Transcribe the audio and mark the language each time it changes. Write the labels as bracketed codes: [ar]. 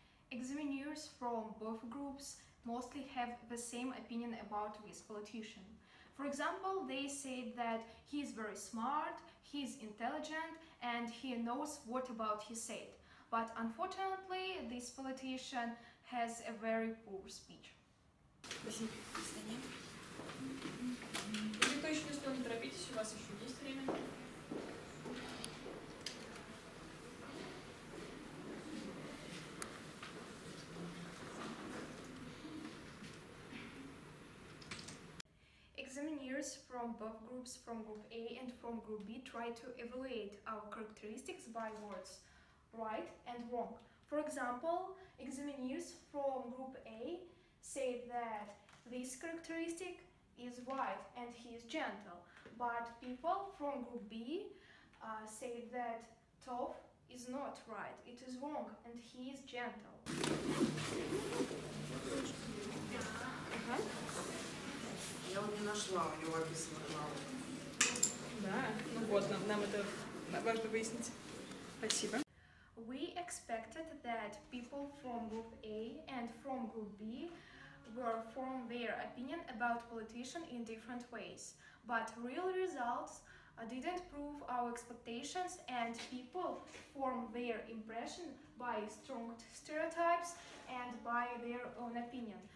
[en] Examiners from both groups mostly have the same opinion about this politician. For example, they say that he is very smart, he is intelligent, and he knows what about he said. But unfortunately, this politician has a very poor speech. [ru] Вы точно, что не торопитесь, у вас еще есть время. [en] Examiners from both groups, from group A and from group B, try to evaluate our characteristics by words right and wrong. For example, examiners from group A say that this characteristic is white and he is gentle, but people from group B say that Tov is not right, it is wrong and he is gentle. [ru] Я вот не нашла, у него описано право. Да, ну вот, нам это важно выяснить. Спасибо. [en] We expected that people from group A and from group B were form their opinion about politician in different ways. But real results didn't prove our expectations and people form their impression by strong stereotypes and by their own opinion.